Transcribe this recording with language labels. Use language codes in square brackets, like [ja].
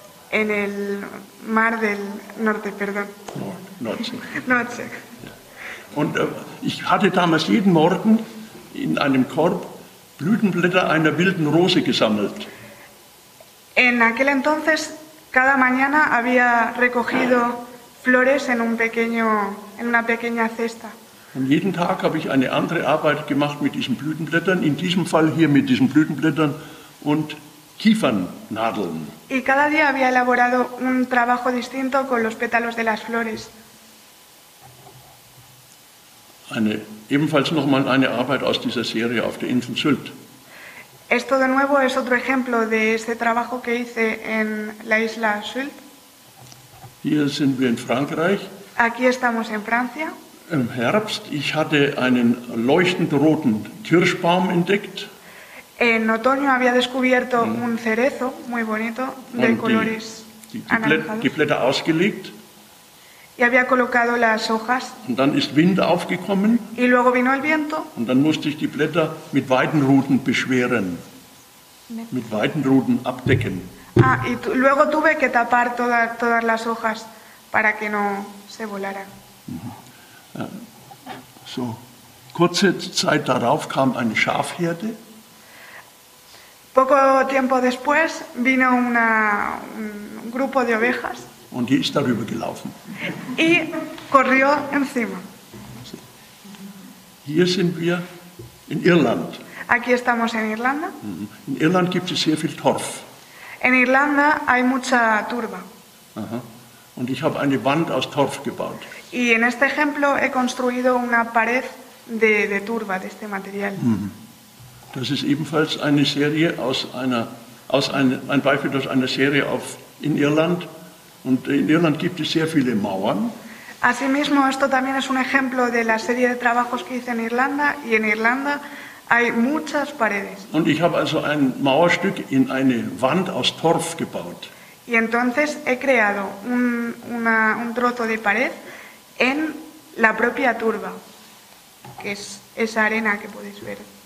[es] En el mar del norte, perdón. [de] Nordsee. Und ich hatte damals jeden Morgen in einem Korb Blütenblätter einer wilden Rose gesammelt. [es] En aquel entonces, cada mañana había recogido flores en una pequeña cesta. [de] Und jeden Tag habe ich eine andere Arbeit gemacht mit diesen Blütenblättern, in diesem Fall hier mit diesen Blütenblättern und Kiefernnadeln. [es] Y cada día había elaborado un trabajo distinto con los pétalos de las flores. [de] Ebenfalls nochmal eine Arbeit aus dieser Serie auf der Insel Sylt. [es] Esto de nuevo es otro ejemplo de este trabajo que hice en la isla Sylt. [de] Hier sind wir in Frankreich. [es] Aquí estamos en Francia. [de] Im Herbst, ich hatte einen leuchtend roten Kirschbaum entdeckt. [es] En otoño había descubierto un cerezo muy bonito de colores anaranjados. [de] Die Blätter ausgelegt. [es] Y había colocado las hojas. [de] Und dann ist Wind aufgekommen. [es] Y luego vino el viento. [de] Und dann musste ich die Blätter mit Weidenruten beschweren. Mit Weidenruten abdecken. [es] Ah, y luego tuve que tapar todas las hojas para que no se volaran. [de] So, kurze Zeit darauf kam eine Schafherde. [es] Poco tiempo después vino un grupo de ovejas. [de] Und die ist darüber gelaufen. [es] Y corrió encima. [de] Hier sind wir in Irland. [es] Aquí estamos en Irlanda. [de] In Irland gibt es sehr viel Torf. [es] En Irlanda hay mucha turba. [de] Und ich habe eine Wand aus Torf gebaut. [es] Y en este ejemplo he construido una pared de turba, de este material. [de] Das ist ebenfalls eine Serie ein Beispiel aus einer Serie in Irland. Und in Irland gibt es sehr viele Mauern. [es] Asimismo, esto también es un ejemplo de la serie de trabajos que hice en Irlanda. Y en Irlanda hay muchas paredes. [de] Und ich habe also ein Mauerstück in eine Wand aus Torf gebaut. [es] Y entonces he creado un trozo de pared en la propia turba, que es esa arena que podéis ver.